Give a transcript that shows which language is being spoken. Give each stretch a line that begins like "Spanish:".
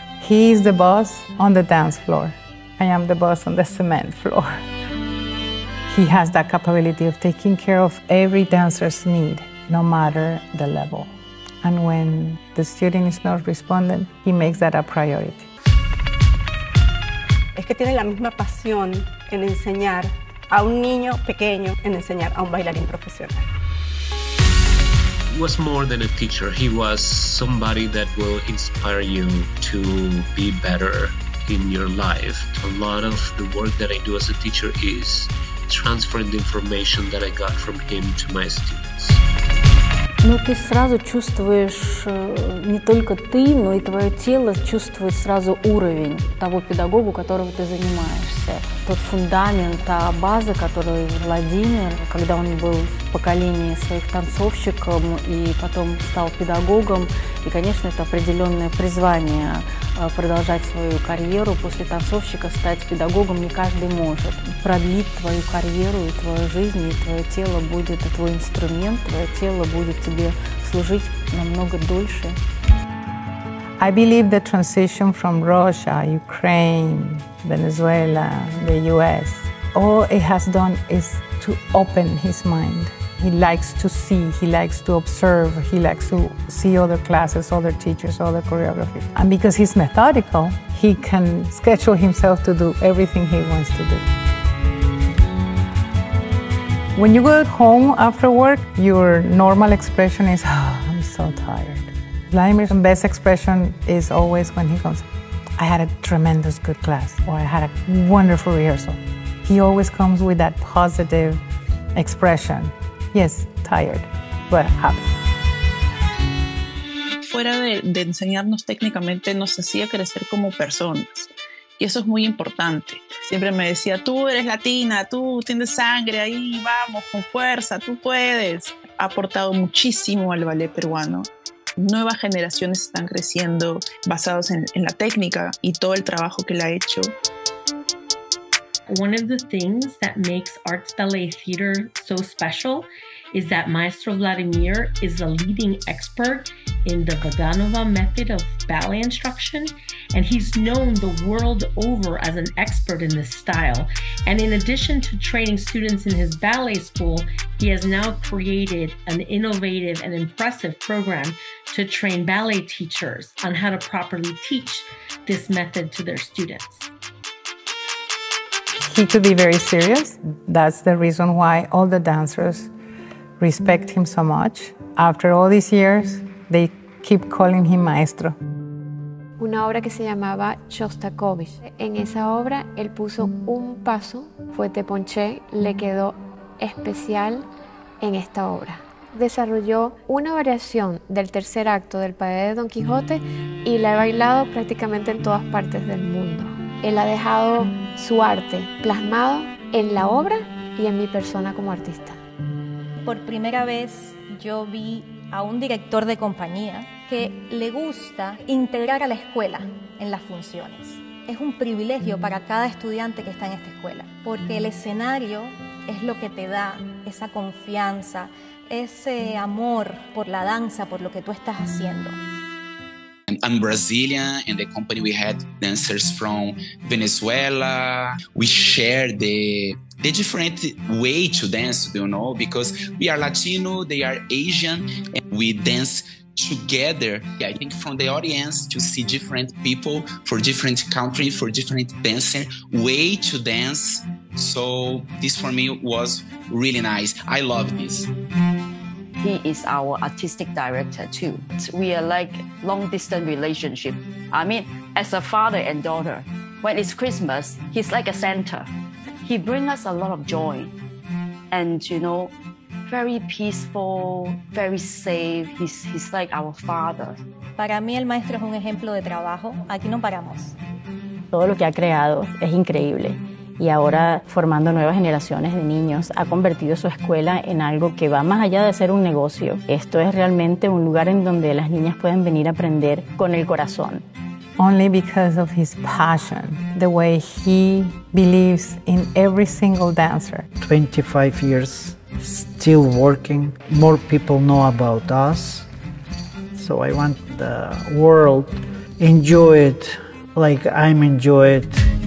English: He is the boss on the dance floor. I am the boss on the cement floor. He has that capability of taking care of every dancer's need, no matter the level. And when the student is not responding, he makes that a priority.
Spanish: Es que tiene la misma pasión en enseñar a un niño pequeño en enseñar a un bailarín profesional.
English: He was more than a teacher. He was somebody that will inspire you to be better in your life. A lot of the work that I do as a teacher is transferring the information that I got from him to my students.
Russian: Ну, ты сразу чувствуешь не только ты, но и твое тело чувствует сразу уровень того педагога, которого ты занимаешься. Тот фундамент, та база, которую Владимир, когда он был в поколении своих танцовщиков и потом стал педагогом, и, конечно, это определенное призвание продолжать свою карьеру после танцовщика, стать педагогом не каждый может. Продлить твою карьеру и твою жизнь, и твое тело будет, и твой инструмент, твое тело будет тебе служить намного дольше.
English: I believe the transition from Russia, Ukraine, Venezuela, the US, all it has done is to open his mind. He likes to see, he likes to observe, he likes to see other classes, other teachers, other choreography. And because he's methodical, he can schedule himself to do everything he wants to do. When you go home after work, your normal expression is, oh, I'm so tired. Vladimir's best expression is always when he comes, I had a tremendous good class, or I had a wonderful rehearsal. He always comes with that positive expression. Yes, tired, but happy.
Spanish: Fuera de enseñarnos técnicamente, nos hacía crecer como personas. Y eso es muy importante. Siempre me decía, tú eres latina, tú tienes sangre, ahí vamos, con fuerza, tú puedes. Ha aportado muchísimo al ballet peruano. Nuevas generaciones están creciendo basados en la técnica y todo el trabajo que él ha hecho.
English: One of the things that makes arts ballet theater so special is that Maestro Vladimir is the leading expert in the Vaganova method of ballet instruction, and he's known the world over as an expert in this style. And in addition to training students in his ballet school, he has now created an innovative and impressive program to train ballet teachers on how to properly teach this method to their students. He could be very serious. That's the reason why all the dancers respect him so much. After all these years, they keep calling him maestro.
Spanish: Una obra que se llamaba Shostakovich. En esa obra, él puso un paso, fue te ponché, le quedó especial en esta obra. Desarrolló una variación del tercer acto del Padre de Don Quijote y la he bailado prácticamente en todas partes del mundo. Él ha dejado su arte plasmado en la obra y en mi persona como artista. Por primera vez yo vi a un director de compañía que le gusta integrar a la escuela en las funciones. Es un privilegio para cada estudiante que está en esta escuela, porque el escenario es lo que te da esa confianza, ese amor por la danza, por lo que tú estás haciendo.
English: I'm Brazilian, in the company we had dancers from Venezuela. We share the different way to dance, you know, because we are Latino, they are Asian, and we dance together. Yeah, I think from the audience to see different people for different country, for different dancer way to dance. So this for me was really nice. I love this. He is our artistic director too. We are like long distance relationship. I mean, as a father and daughter, when it's Christmas, he's like a Santa. He brings us a lot of joy and, you know, very peaceful, very safe. He's like our father.
Spanish: Para mí el maestro es un ejemplo de trabajo. Aquí no paramos. Todo lo que ha creado es increíble. Y ahora, formando nuevas generaciones de niños, ha convertido su escuela en algo que va más allá de ser un negocio. Esto es realmente un lugar en donde las niñas pueden venir a aprender con el corazón.
English: Only because of his passion, the way he believes in every single dancer. 25 years, still working. More people know about us. So I want the world to enjoy it like I'm enjoying it.